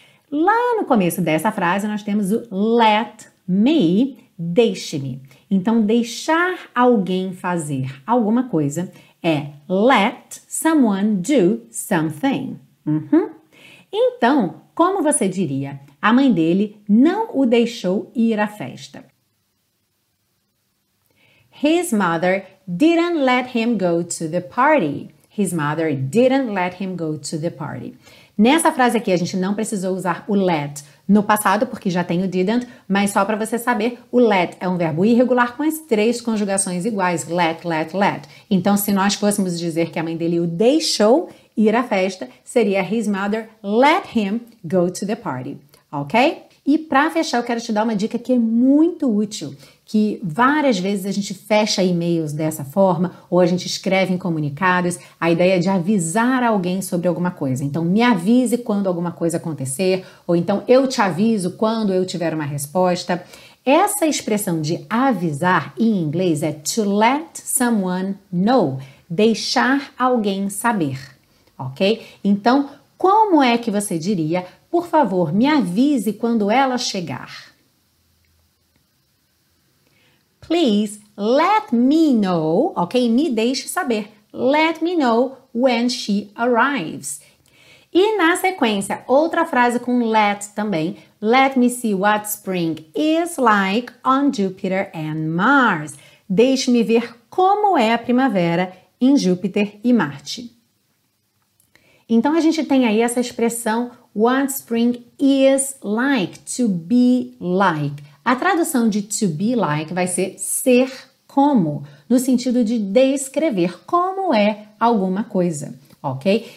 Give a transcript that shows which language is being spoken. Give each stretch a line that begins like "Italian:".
Portuguese: Lá no começo dessa frase, nós temos o let me, deixe-me. Então, deixar alguém fazer alguma coisa é
English: let someone do something.
Portuguese: Uhum. Então, como você diria, a mãe dele não o deixou ir à festa.
English: His mother didn't let him go to the party. His mother didn't let him go to the party.
Portuguese: Nessa frase aqui, a gente não precisou usar o let no passado, porque já tem o didn't, mas só para você saber, o let é um verbo irregular com as três conjugações iguais, let, let, let. Então, se nós fôssemos dizer que a mãe dele o deixou ir à festa, seria
English: his mother let him go to the party,
Portuguese: ok? E para fechar, eu quero te dar uma dica que é muito útil, que várias vezes a gente fecha e-mails dessa forma, ou a gente escreve em comunicados, a ideia de avisar alguém sobre alguma coisa. Então, me avise quando alguma coisa acontecer, ou então eu te aviso quando eu tiver uma resposta. Essa expressão de avisar em inglês é
English: to let someone know,
Portuguese: deixar alguém saber, ok? Então, como é que você diria, por favor, me avise quando ela chegar?
English: Please let me know, ok?
Portuguese: Me deixe saber.
English: Let me know when she arrives.
Portuguese: E na sequência, outra frase com let também.
English: Let me see what spring is like on Jupiter and Mars.
Portuguese: Deixe-me ver como é a primavera em Júpiter e Marte. Então a gente tem aí essa expressão
English: what spring is like, to be like.
Portuguese: A tradução de to be like vai ser como, no sentido de descrever como é alguma coisa, ok?